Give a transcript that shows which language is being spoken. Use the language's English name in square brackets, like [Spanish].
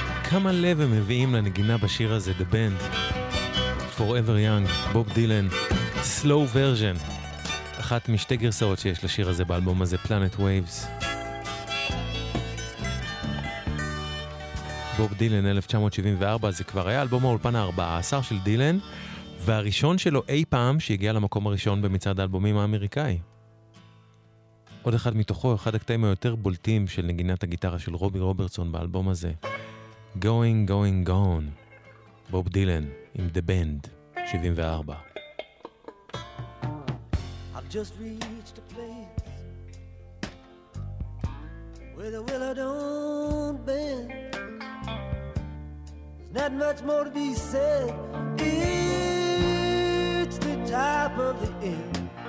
[Hebrew] כמה לב הם מביאים לנגינה בשיר הזה, The Band. Forever Young, בוב דילן, Slow Version. אחת משתי גרסאות שיש לשיר הזה באלבום הזה, Planet Waves. בוב דילן, 1974, זה כבר היה אלבום האולפן ה-14 של דילן, והראשון שלו אי פעם שהגיע למקום הראשון במצעד האלבומים האמריקאי. עוד אחד מתוכו, אחד הקטעים היותר בולטים של נגינת הגיטרה של רובי רוברטסון באלבום הזה. Going, going, gone. בוב דילן, עם The Band, 74. [English] I've just reached a place where the willow don't bend. There's not much more to be said. It's the top of the end.